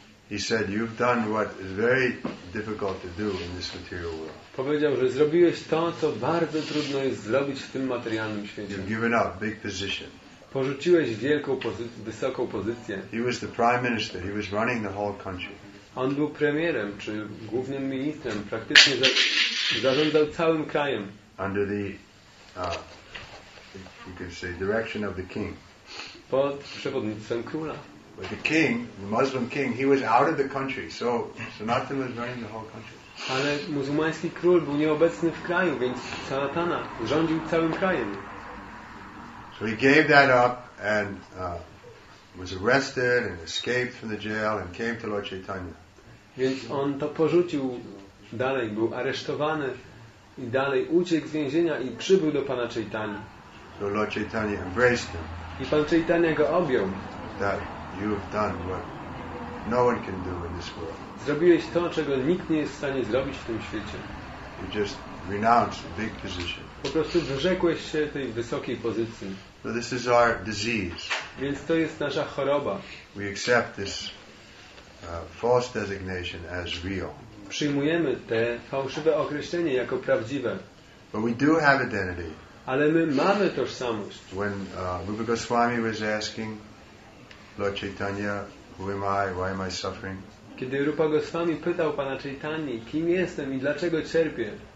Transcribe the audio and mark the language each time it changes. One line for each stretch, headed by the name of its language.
English: He said, "You've done what is very difficult to do in this material world."
Polish: Powiedział, że zrobiłeś to, co bardzo trudno jest zrobić w tym materialnym świecie.
English: You've given up big position.
Polish: Porzuciłeś wielką wysoką pozycję.
English: He was the prime minister. He was running the whole country.
Polish: On był premierem, czy głównym ministrem, praktycznie zarządzał całym krajem.
English: Under the, you could say, direction of the king.
Polish: Pod przewodnictwem króla.
English: But the king, the Muslim king, he was out of the country, so Sanatana was running the whole country.
Polish: Ale muzułmański król był nieobecny w kraju, więc Sanatana rządził całym krajem.
English: So he gave that up and was arrested and escaped from the jail and came to Lord Chaitanya.
Polish: Więc on to porzucił dalej, był aresztowany i dalej uciekł z więzienia i przybył do Pana Chaitanya.
English: So Lord Chaitanya embraced him.
Polish: I Pan Chaitanya go objął.
English: That you've done what no one can do in this world.
Polish: Zrobiłeś to, czego nikt nie jest w stanie zrobić w tym świecie.
English: You just renounced big position.
Polish: Po prostu wyrzekłeś się tej wysokiej pozycji.
English: So this is our disease.
Polish: Więc to jest nasza choroba.
English: We accept this false designation as real.
Polish: Przyjmujemy te fałszywe określenie jako prawdziwe.
English: But we do have identity.
Polish: Ale my mamy tożsamość.
English: When Rupa Goswami was asking Lord Chaitanya, who am I, why am I suffering?
Polish: Kiedy Rupa Goswami pytał Pana Chaitanyi, kim jestem i dlaczego cierpię?